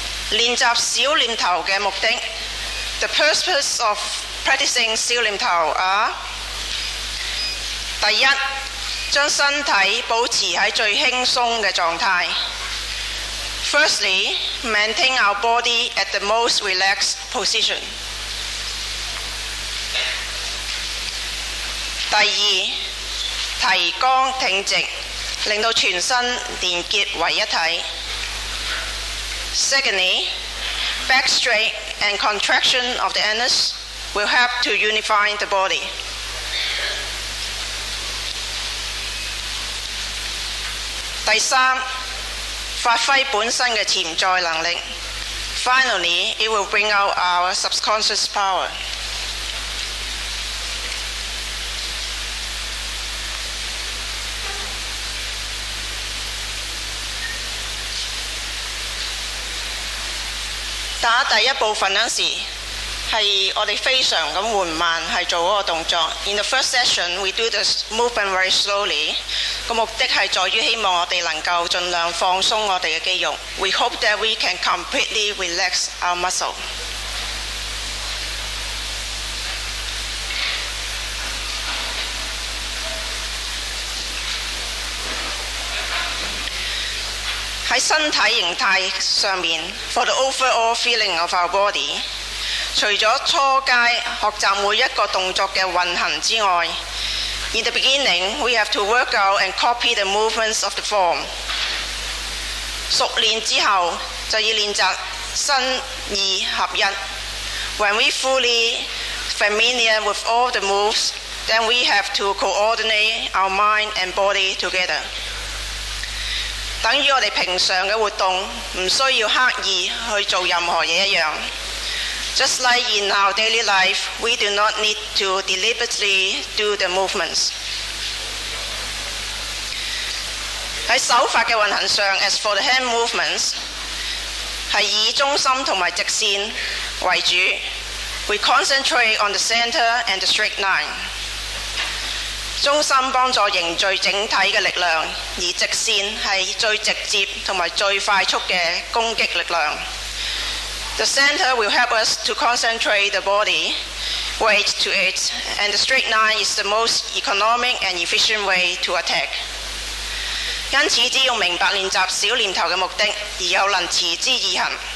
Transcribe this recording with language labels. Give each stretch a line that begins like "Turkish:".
Chinese: 练习小念头的目的，
English: the purpose of practicing
Chinese: 小念头 are 第一， 将身体保持在最轻松的状态。
English: Firstly, maintain our body at the most relaxed position.
Chinese: 第二， 提肛挺直， 令到全身连结为一体。
English: Secondly, back straight and contraction of the anus will help to unify the body.
Chinese: 第三, 发挥本身的潜在能力。
English: Finally, it will bring out our subconscious power.
Chinese: 打第一部分的时候，是我们非常缓慢去做那个动作。
English: In the first session, we do the movement very slowly.
Chinese: 目的是在于希望我们能够尽量放松我们的肌肉。
English: We hope that we can completely relax our muscle.
Chinese: 在身体形态上面,
English: for the overall feeling of our body,
Chinese: 除了初阶学习每一个动作的运行之外,
English: in the beginning, we have to work out and copy the movements of the form.
Chinese: 熟练之后, 就要练习身意合一。
English: When we fully familiar with all the moves, then we have to coordinate our mind and body together.
Chinese: 等于我们平常的活动不需要刻意去做任何事一样。
English: Just like in our daily life, we do not need to deliberately do the movements.
Chinese: 在手法的运行上,
English: as for the hand movements,
Chinese: 是以中心和直线为主。
English: We concentrate on the center and the straight line.
Chinese: 中心帮助凝聚整体的力量, 而直线是最直接和最快速的攻击力量。
English: The center will help us to concentrate the body weight to it, and the straight line is the most economic and efficient way to attack.
Chinese: 因此只要明白练习小念头的目的，而又能持之以恒。